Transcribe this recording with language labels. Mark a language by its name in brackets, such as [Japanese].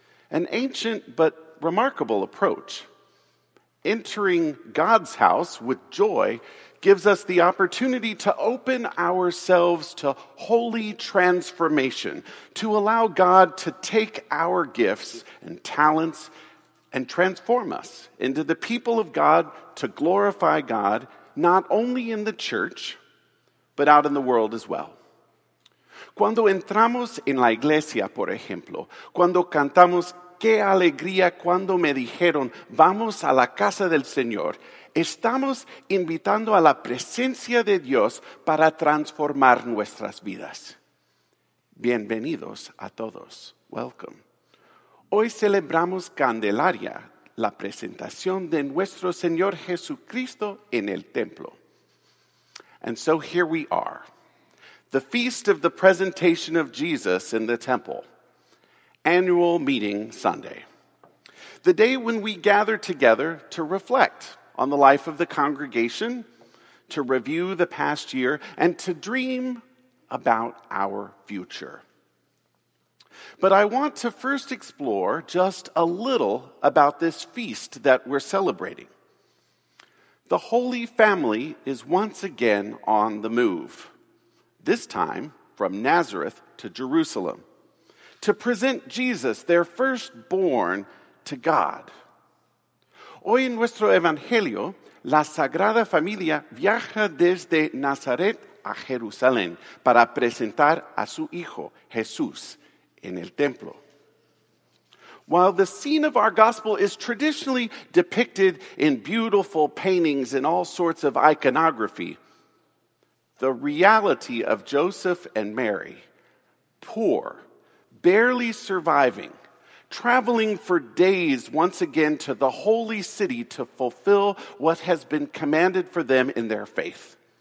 [English] An ancient but remarkable approach. Entering God's house with joy gives us the opportunity to open ourselves to holy transformation, to allow God to take our gifts and talents and transform us into the people of God to glorify God, not only in the church, but out in the world as well. [Spanish] Cuando entramos en la iglesia, por ejemplo, cuando cantamos "Qué alegría cuando me dijeron, vamos a la casa del Señor," estamos invitando a la presencia de Dios para transformar nuestras vidas. Bienvenidos a todos. Welcome. Hoy celebramos Candelaria, la presentación de nuestro Señor Jesucristo en el templo. [English] And so here we are, the feast of the presentation of Jesus in the temple. Annual Meeting Sunday, the day when we gather together to reflect on the life of the congregation, to review the past year, and to dream about our future. But I want to first explore just a little about this feast that we're celebrating. The Holy Family is once again on the move, this time from Nazareth to Jerusalem, to present Jesus, their firstborn, to God. [Spanish] Hoy en nuestro Evangelio, la Sagrada Familia viaja desde Nazaret a Jerusalén para presentar a su hijo, Jesús, en el templo. [English] While the scene of our gospel is traditionally depicted in beautiful paintings and all sorts of iconography, the reality of Joseph and Mary, poor, barely surviving, traveling for days once again to the holy city to fulfill what has been commanded for them in their faith.